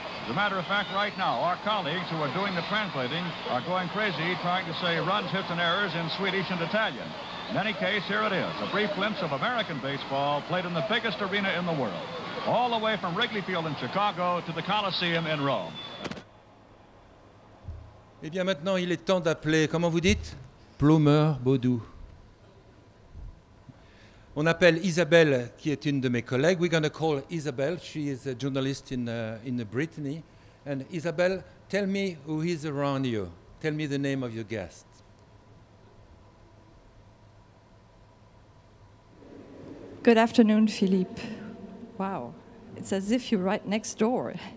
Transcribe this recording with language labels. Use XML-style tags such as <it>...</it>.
<en>As a matter of fact, right now, our colleagues who are doing the translating are going crazy trying to say runs, hits, and errors in Swedish and Italian. In any case, here it is, a brief glimpse of American baseball played in the biggest arena in the world, all the way from Wrigley Field in Chicago to the Colosseum in Rome.</en> <fr>Eh bien, maintenant, il est temps d'appeler, comment vous dites? Plumeur Baudou. On appelle Isabelle, qui est une de mes collègues.</fr> <en>We're going to call Isabelle. She is a journalist in Brittany. And Isabelle, tell me who is around you. Tell me the name of your guest. Good afternoon, Philippe. Wow, it's as if you're right next door.</en>